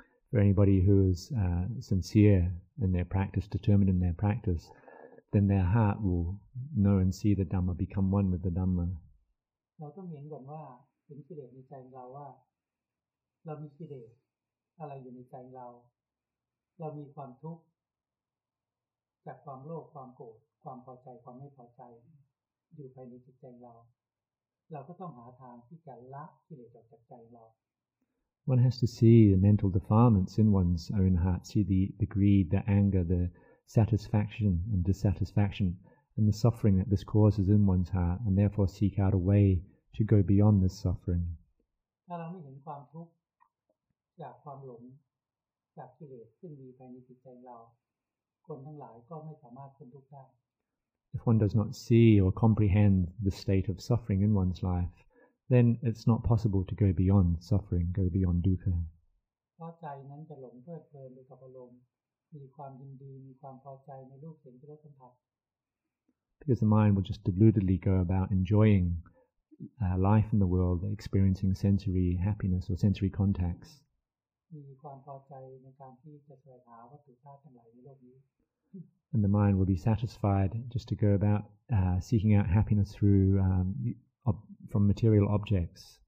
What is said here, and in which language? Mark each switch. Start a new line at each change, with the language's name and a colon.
English: For anybody who is sincere in their practice, determined in their practice, then their heart will know and see the Dhamma, become one with the Dhamma.
Thai: เราต้องเห็นก่อนว่าเป็นกิเลสในใจเราว่าเรามีกิเลสอะไรอยู่ในใจเรา เรามีความทุกข์จากความโลภความโกรธความพอใจความไม่พอใจอยู่ภายในจิตใจเราเราก็ต้องหาทางที่จะละกิเลสออกจากใจเรา
English: One has to see the mental defilements in one's own heart, see the greed, the anger, the satisfaction and dissatisfaction and the suffering that this causes in one's heart and therefore seek out a way to go beyond this suffering.
Thai: ถ้าเราไม่เห็นความทุกข์จากความหลงจากกิเลสซึ่งมีภายในจิตใจเราคนทั้งหลายก็ไม่สามารถพ้นทุกข์ได้
English: If one does not see or comprehend the state of suffering in one's life, then it's not possible to go beyond suffering, go beyond dukkha.
Thai: เพราะใจนั้นจะหลงเพลิดเพลินไปกับอารมณ์มีความยินดีมีความพอใจในรูปเสียงรสสัมผัส
English: Because the mind will just deludedly go about enjoying life in the world, experiencing sensory happiness or sensory contacts.
Thai: มีความพอใจในการที่จะแสวงหาวัตถุธาตุทั้งหลายในโลกนี้
English: And the mind will be satisfied just to go about seeking out happiness through from material objects.